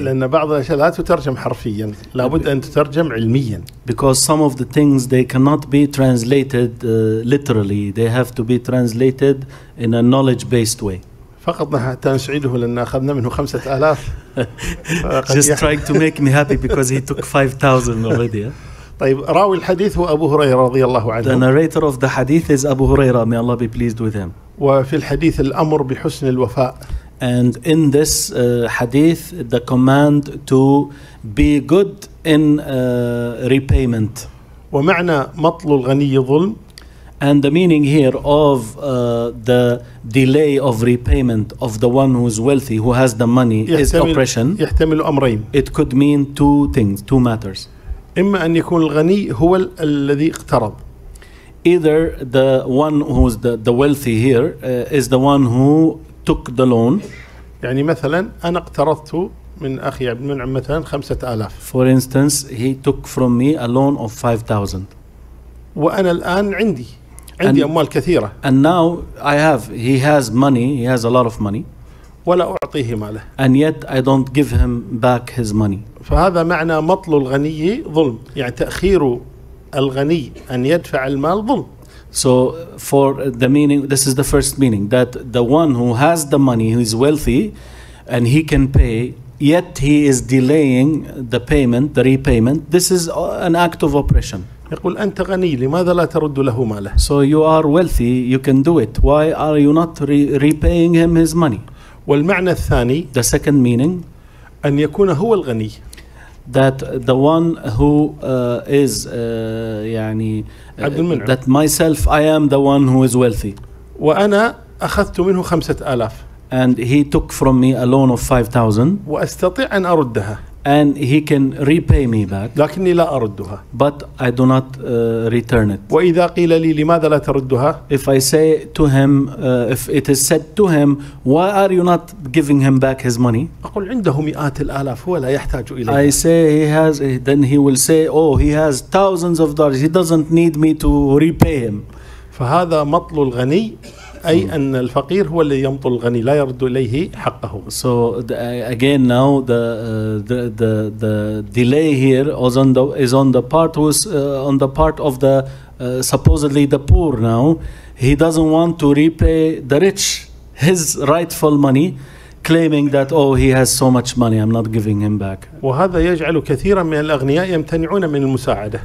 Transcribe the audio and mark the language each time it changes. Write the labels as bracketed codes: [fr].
[ar] لأن بعض الأشياء لا تترجم حرفيا لابد أن تترجم علميا. [en] Because some of the things they cannot be translated literally. They have to be translated in a knowledge-based way. [ar] فقط حتى نسعده لأن أخذنا منه 5,000. [en] Just trying to make me happy because he took 5,000 already. [ar] طيب راوي الحديث هو أبو هريرة رضي الله عنه. [en] The narrator of the hadith is Abu Huraira. May Allah be pleased with him. [ar] وفي الحديث الأمر بحسن الوفاء. [en] And in this hadith, the command to be good in repayment. [ar] ومعنى مطل الغني ظلم. [en] And the meaning here of the delay of repayment of the one who is wealthy, who has the money, is oppression. [ar] يحتمل أمرين. [en] It could mean two things, two matters. [ar] إما أن يكون الغني هو الذي اقترض. [en] Either the one who's the wealthy here is the one who took the loan. [ar] يعني مثلا أنا اقترضت من أخي عبد المنعم مثلا 5,000. [en] For instance, he took from me a loan of 5,000. [ar] وأنا الآن عندي أموال كثيرة. [en] And now he has money, he has a lot of money. [ar] ولا أعطيه ماله. [en] And yet I don't give him back his money. [ar] فهذا معنى مطل الغني ظلم. يعني تأخير الغني أن يدفع المال ظلم. [en] So for the meaning, this is the first meaning that the one who has the money, who is wealthy, and he can pay, yet he is delaying the payment, the repayment. This is an act of oppression. [ar] يقول أنت غني لماذا لا ترد له ماله؟ [en] So you are wealthy, you can do it. Why are you not repaying him his money? [ar] والمعنى الثاني [en] the second meaning [ar] أن يكون هو الغني [en] that the one who is يعني [ar] عبد المنعم [en] that myself I am the one who is wealthy [ar] وأنا أخذت منه 5,000 [en] and he took from me a loan of 5,000 [ar] وأستطيع أن أردها [en] and he can repay me back [ar] لكني لا أردها [en] but I do not return it [ar] وإذا قيل لي لماذا لا تردها [en] if I say to him if it is said to him why are you not giving him back his money [ar] أقول عنده مئات الآلاف هو لا يحتاج إليه [en] I say he has then he will say oh he has thousands of dollars he doesn't need me to repay him [ar] فهذا مطل الغني أي أن الفقير هو الذي يمطل الغني لا يرد إليه حقه. [en] So again now the delay here is on the part of the supposedly the poor now he doesn't want to repay the rich his rightful money claiming that oh he has so much money I'm not giving him back. [ar] وهذا يجعل كثيرا من الأغنياء يمتنعون من المساعدة.